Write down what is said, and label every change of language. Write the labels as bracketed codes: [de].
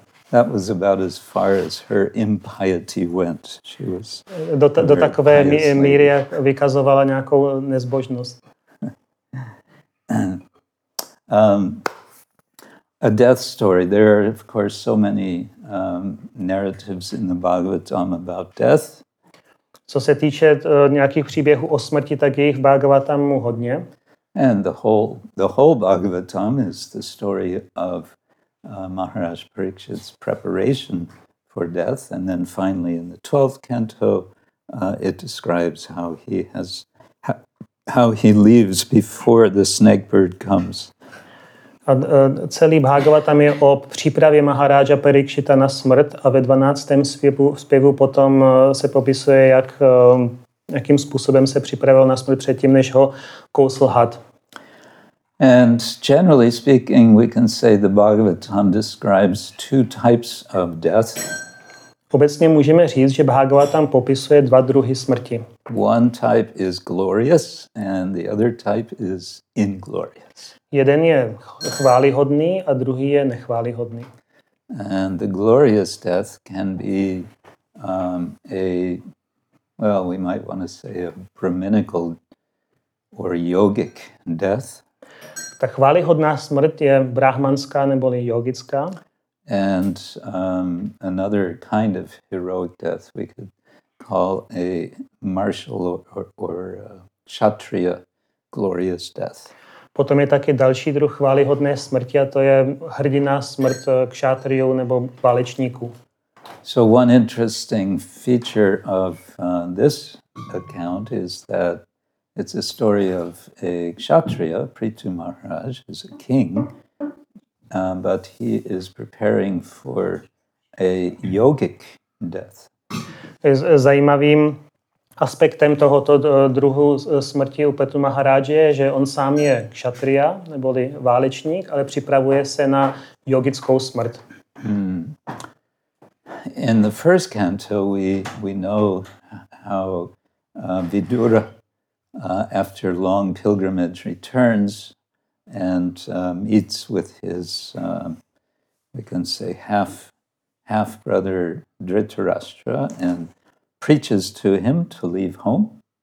[en] That was about as far as her impiety went. She was [cs] do takové míry vykazovala nějakou nezbožnost. [en] A death story. There are, of course, so many narratives in the Bhagavatam about death. [cs] Co se týče nějakých příběhů o smrti, tak je jich v Bhagavatamu hodně. [en] And the whole Bhagavatam is the story of Maharaj Parikshit's preparation for death, and then finally in the 12th canto, it describes how he has how he leaves before the snake bird comes. [cs] Celý Bhagavatam je o přípravě Maharaja Parikshita na smrt, a ve 12. zpěvu potom se popisuje, jakým způsobem se připravil na smrt předtím, než ho kousl had. [en] And generally speaking, we can say the Bhagavatam describes two types of death. [cs] Obecně můžeme říct, že Bhagavatam popisuje dva druhy smrti. [en] One type is glorious and the other type is inglorious. [cs] Jeden je chválihodný a druhý je nechválihodný. [en] And the glorious death can be we might want to say a brahminical or yogic death. [cs] Ta chválihodná smrt je brahmanská neboli yogická. [en] And another kind of heroic death we could call a martial or kshatriya glorious death. [cs] Potom je taky další druh chválihodné smrti, a to je hrdiná smrt kšátriů nebo válečníků. [en] So one interesting feature of this account is that it's a story of a kshatriya, Prithu Maharaj, who's a king, but he is preparing for a yogic death. [cs] Zajímavým aspektem tohoto druhu smrti u Prithu Maharaje je, že on sám je kshatriya, neboli válečník, ale připravuje se na yogickou smrt. [en] In the first canto, we know how Vidura, after long pilgrimage, returns and meets with his, we can say, half-brother Dhritarashtra and preaches to him to leave home.